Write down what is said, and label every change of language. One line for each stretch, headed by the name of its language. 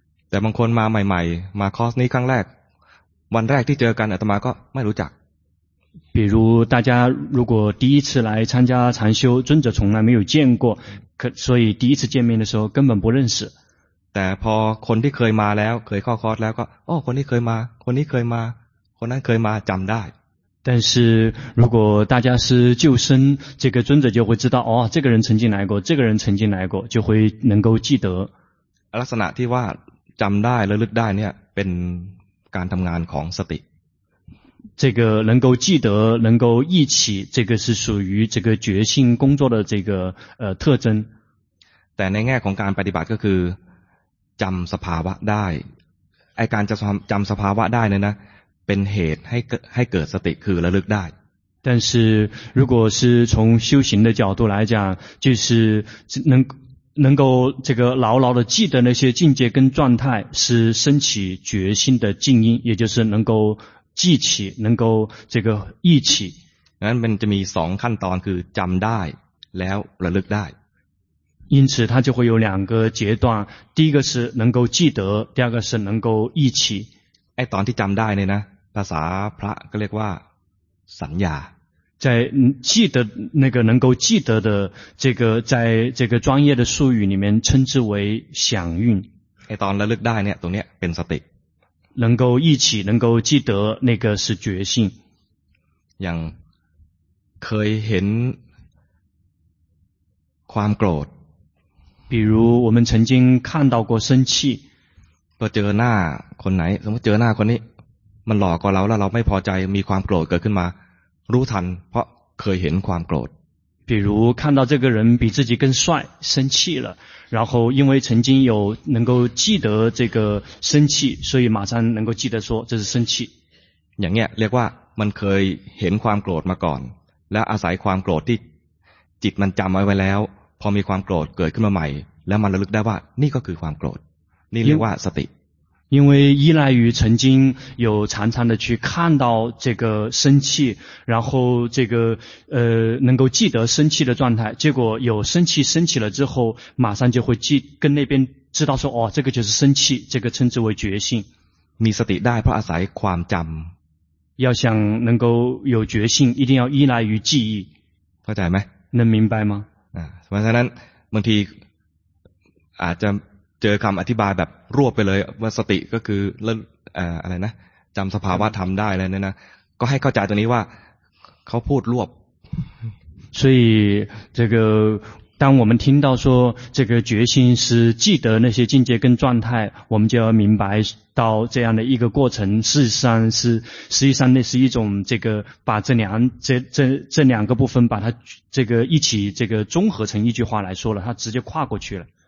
Thai: แต่บางคนมาใหม่ๆมาคอร์สนี้ครั้งแรกวันแรกที่เจอกันอาตมาก็ไม่รู้จัก
Chinese: 比如大家如果第一次来参加禅修尊者从来没有见过所以第一次见面的时候根本不认识
Thai: แต่พอคนที่เคยมาแล้วเคยเข้าคอร์สแล้วก็โอ้คนนี้เคยมาคนนี้เคยมาคนนั้นเคยมาจำได้
Chinese: 但是如果大家是旧生这个尊者就会知道哦这个人曾经来过这个人曾经来过就会能够记得
Thai: ลักษณะที่ว่าจำได้และลึกได้เนี่ยเป็นการทำงานของสติ
Chinese: 这个能够记得能够忆起这个是属于这个觉性工作的这个特征
Thai: แต่ในแง่ของการปฏิบัติก็คือจำสภาวะได้ไอการจะจำสภาวะได้เนี่ยนะเป็นเหตุให้เกิดสติคือระลึกได้
Chinese: 但是如果是从修行的角度来讲就是能够这个牢牢的记得那些境界跟状态是升起觉性的静音也就是能够记起能够这个忆起
Thai: นั้นมันจะมีสองขั้นตอนคือจำได้แล้วระลึกได้
Chinese: 因此它就会有两个阶段第一个是能够记得第二个是能够忆起
Thai: ไอ้ตอนที่จำได้เนี่ยนะภาษาพระก็เรียกว่าสัญญา
Chinese: 在记得那个能够记得的这个在这个专业的术语里面称之为想运
Thai: ไอ้ตอนระลึกได้เนี่ยตรงเนี้ยเป็นสติ
Chinese: 能够忆起能够记得那个是觉性
Thai: อย่างเคยเห็นความโกรธ
Chinese: 比如我们曾经看到过生气
Thai: ก็เจอหน้าคนไหนสมมติเจอหน้าคนนี้มันหลอกกว่าเราแล้วเราไม่พอใจมีความโกรธเกิดขึ้นมารู้ทันเพราะเคยเห็นความโกรธ
Chinese: 比如看到这个人比自己更帅生气了然后因为曾经有能够记得这个生气所以马上能够记得说这是生气
Thai: อย่างเงี้ยเรียกว่ามันเคยเห็นความโกรธมาก่อนแล้วอาศัยความโกรธที่จิตมันจำไว้แล้วพอมีความโกรธเกิดขึ้นมาใหม่แล้วมันระลึกได้ว่านี่ก็คือความโกรธนี่เรียกว่าสติ
Chinese: 因为依赖于曾经有常常的去看到这个生气然后这个能够记得生气的状态结果有生气升起了之后马上就会记跟那边知道说哦这个就是生气这个称之为觉性
Thai: มีสติได้เพราะอาศัยความจำ
Chinese: 要想能够有觉性一定要依赖于记忆
Thai: เข้าใจไหม
Chinese: 能明白吗
Thai: เพราะฉะนั้นบางทีอาจจะเจอคำอธิบายแบบรวบไปเลยว่าสติก็คือะไรนะจำสภาวะธรรมได้แล้วเนี่ยนะก็ให้เข้าใจตรงนี้ว่าเขาพูดรวบ
Chinese: 所以这个当我们听到说这个决心是记得那些境界跟状态，我们就要明白到这样的一个过程，实际上那是一种这个把这两个部分把它这个一起这个综合成一句话来说了，它直接跨过去了。